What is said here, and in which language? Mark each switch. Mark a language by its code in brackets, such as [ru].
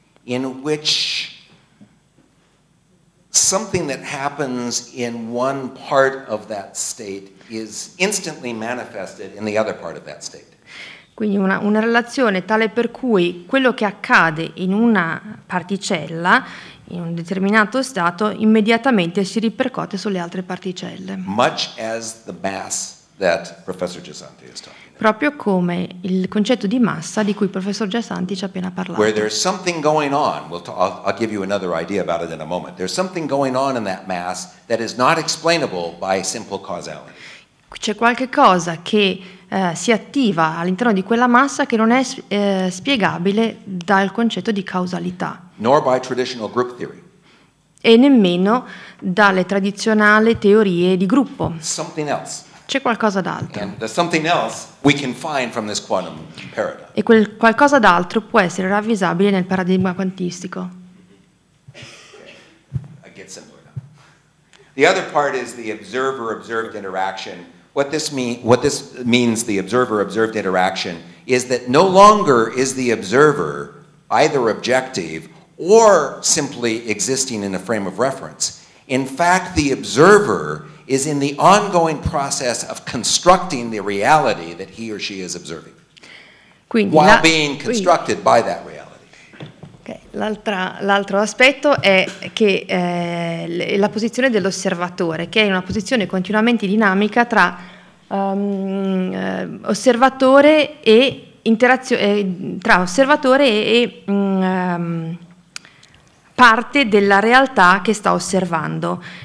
[en] In which something that happens in one part of that state is instantly manifested in the other part of that state. [it] Quindi una relazione tale per cui quello che accade in una particella in un determinato stato immediatamente si ripercuote sulle altre particelle. [en] Much as the mass that Professor Gesanti is talking about. [it] Proprio come il concetto di massa di cui il professor Gesanti ci ha appena parlato. [en] Where there's something going on, I'll give you another idea about it in a moment. There's something going on in that mass that is not explainable by simple causality. [it] C'è qualche cosa che si attiva all'interno di quella massa che non è spiegabile dal concetto di causalità. [en] Nor by traditional group theory. [it] E nemmeno dalle tradizionali teorie di gruppo. [en] Something else. [it] C'è qualcosa d'altro. [en] And the something else we can find from this quantum paradigm. [it] E quel qualcosa d'altro può essere ravvisabile nel paradigma quantistico. [en] I get simpler now. The other part is the observer-observed interaction. What this means, the observer-observed interaction, is that no longer is the observer either objective or simply existing in a frame of reference. In fact, the observer is in the ongoing process of constructing the reality that he or she is observing. [it] Quindi [en] while [it] la, [en] being constructed [it] quindi, [en] by that reality. Okay. [it] L'altro aspetto è che la posizione dell'osservatore, che è una posizione continuamente dinamica tra osservatore e interazione tra osservatore e parte della realtà che sta osservando.